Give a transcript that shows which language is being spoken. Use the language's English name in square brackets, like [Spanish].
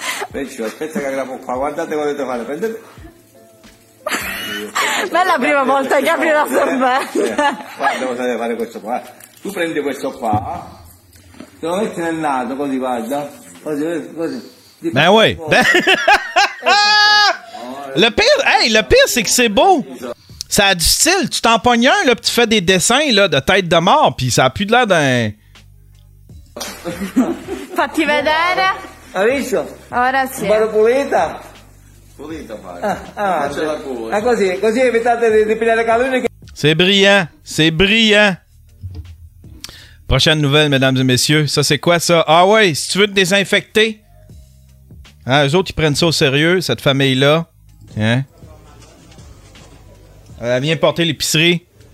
[Italian] Peccio, aspetta che la può fare. Guardate cosa dovete fare. Prendete. Ma è la prima volta che apri la sorbetta. Guarda cosa deve fare questo qua. Tu prendi questo qua. Te lo metti nel naso, così, guarda. Così, così. [French] Ben oui. Ben... Le pire, hey, le pire, c'est que c'est beau. Ça a du style. Tu t'en pognes un, là, pis tu fais des dessins, là, de tête de mort, pis ça a plus de l'air d'un... [Italian] Fatti vedere. Hai visto? Ora sì. Vado pulita. Pulita, padre. Ah, ah, così, così evitate di pigliare calunni. [French] C'est brillant. C'est brillant. Prochaine nouvelle, mesdames et messieurs. Ça, c'est quoi, ça? Ah ouais, si tu veux te désinfecter. Hein, eux autres, ils prennent ça au sérieux, cette famille-là. Hein? Elle vient porter l'épicerie.